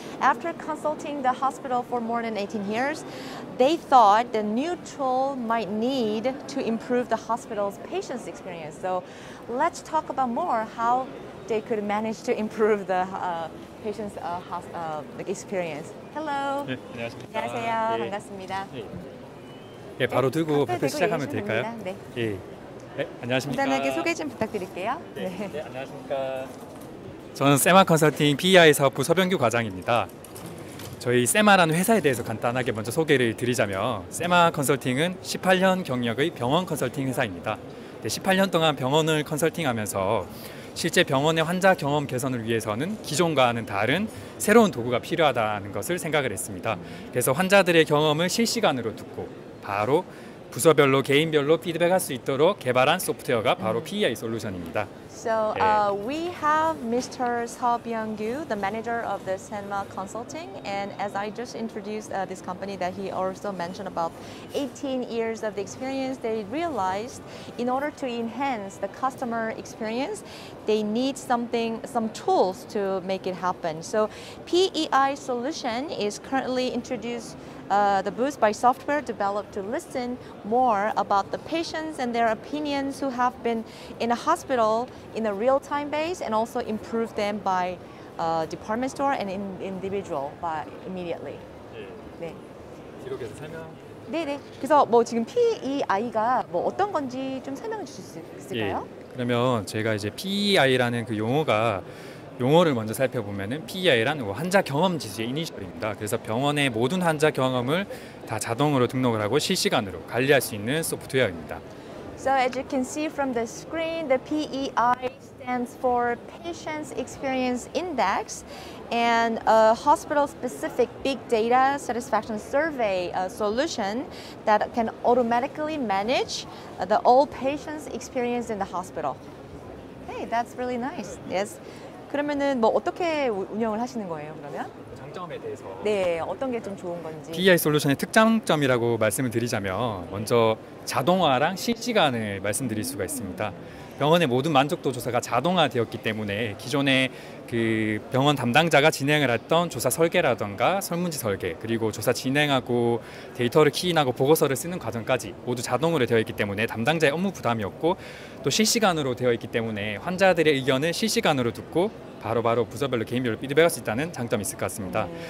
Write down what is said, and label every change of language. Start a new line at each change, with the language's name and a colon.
English: After consulting the hospital for more than 18 years, they thought the new tool might need to improve the hospital's patient's experience. So let's talk about more how they could manage to improve the patient's experience. Hello.
Korean: 네, 안녕하십니까. 안녕하세요. 네. 반갑습니다. 네. 네, 바로 들고 발표 시작하면 될까요? 네. 예. 네, 안녕하십니까. 간단하게 소개 좀 부탁드릴게요. 네. 네. 네, 안녕하십니까. 저는 세마 컨설팅 PEI 사업부 서병규 과장입니다. 저희 세마라는 회사에 대해서 간단하게 먼저 소개를 드리자면, 세마 컨설팅은 18년 경력의 병원 컨설팅 회사입니다. 네, 18년 동안 병원을 컨설팅하면서 실제 병원의 환자 경험 개선을 위해서는 기존과는 다른 새로운 도구가 필요하다는 것을 생각을 했습니다. 그래서 환자들의 경험을 실시간으로 듣고 바로 부서별로 개인별로 피드백할 수 있도록 개발한 소프트웨어가 바로 PEI 솔루션입니다.
English: So we have Mr. Seo Byung-gyu, the manager of the Sema Consulting, and as I just introduced this company that he also mentioned about 18 years of the experience, they realized in order to enhance the customer experience, they need something, some tools to make it happen. So PEI solution is currently introduced the booth by software developed to listen more about the patients and their opinions who have been in a hospital in a real-time base and also improve them by department store and individual by immediately.
Korean: 네. 네. 기록에서 설명. 네, 네. 그래서 뭐 지금 PEI가 뭐 어떤 건지 좀 설명해 주실 수 있을까요? 예. 그러면 제가 이제 PEI라는 그 용어가 용어를 먼저 살펴보면은 PEI란 환자 경험 지수의 이니셜입니다. 그래서 병원의 모든 환자 경험을 다 자동으로 등록을 하고 실시간으로 관리할 수 있는 소프트웨어입니다.
English: So as you can see from the screen, the PEI stands for Patient Experience Index and a hospital-specific big data satisfaction survey solution that can automatically manage the all patients' experience in the hospital. Hey, that's really nice. Yes.
Korean: 그러면은 뭐 어떻게 운영을 하시는 거예요, 그러면? 장점에 대해서. 네, 어떤 게 좀 좋은 건지. PEI 솔루션의 특장점이라고 말씀을 드리자면 먼저 자동화랑 실시간을 말씀드릴 수가 있습니다. 병원의 모든 만족도 조사가 자동화되었기 때문에 기존에 그 병원 담당자가 진행을 했던 조사 설계라든가 설문지 설계 그리고 조사 진행하고 데이터를 키인하고 보고서를 쓰는 과정까지 모두 자동으로 되어 있기 때문에 담당자의 업무 부담이 없고 또 실시간으로 되어 있기 때문에 환자들의 의견을 실시간으로 듣고 바로바로 부서별로 개인별로 피드백할 수 있다는 장점이 있을 것 같습니다.